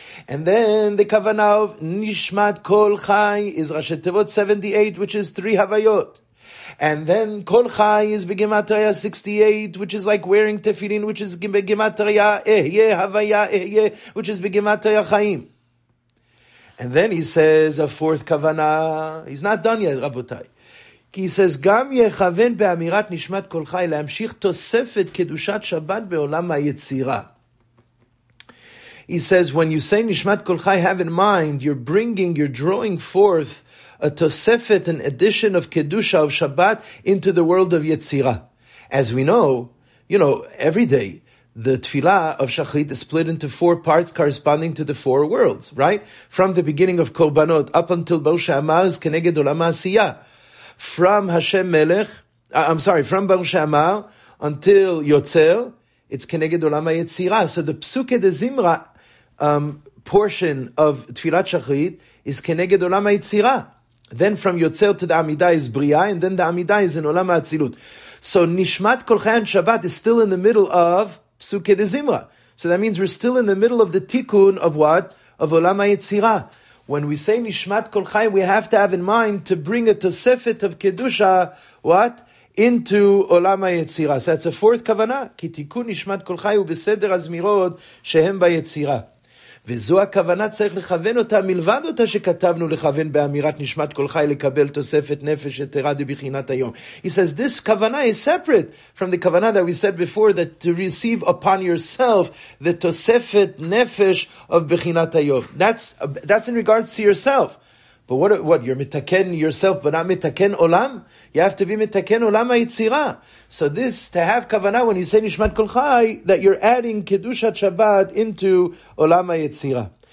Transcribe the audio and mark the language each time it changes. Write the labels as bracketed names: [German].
[English] And then the Kavanah of Nishmat Kol Chai is Rashi Tevot 78, which is 3 Havayot. And then Kol Chai is Begematria 68, which is like wearing Tefillin, which is Begematria Ehye Havaya Ehye, which is Begematria Chaim. And then he says a fourth Kavanah. He's not done yet, Rabotai. [Hebrew] כי [English] he says [Hebrew] גם יכוון באמירת נשמת כל חי להמשיך תוספת קדושת שבת בעולם היצירה. [English] He says when you say נשמת כל חי, have in mind you're bringing, you're drawing forth a tosefet, an addition of kedusha of Shabbat into the world of Yetzira. As we know, you know, every day the tefillah of Shachrit is split into four parts corresponding to the four worlds, right? From the beginning of Korbanot up until Baruch Shamah is keneged olam ha'asiyah. From Hashem Melech, I'm sorry, from Baruch Shamah until Yotzer, it's keneged olam ha'yetzira. So the psuke de zimra portion of tefillat Shachrit is keneged olam ha'yetzira. Then from Yotzer to the Amidah is Bria, and then the Amidah is in olam ha'atzilut. So Nishmat Kol Chayei Shabbat is still in the middle of Psuke de Zimra. So that means we're still in the middle of the tikkun of what? Of Olam HaYetzira. When we say Nishmat Kol Chayei, we have to have in mind to bring a tosefet of Kedusha, what? Into Olam HaYetzira. So that's a fourth kavana. [Hebrew] Ki tikkun Nishmat Kol Chayei hu beseder hazmirot shehem ba-yetzira. וזו הכוונה צריך לכוון אותה מלבד אותה שכתבנו לכוון באמירת נשמת כל חי לקבל תוספת נפש יתרה דבחינת היום. [English] He says this כוונה is separate from the כוונה that we said before, that to receive upon yourself the תוספת נפש of בחינת היום. That's in regards to yourself. But what you're מתקן yourself but not מתקן עולם? You have to be מתקן עולם היצירה. So this, to have kavana when you say Nishmat Kol Chai, that you're adding Kedushat Shabbat into Olam HaYetzira.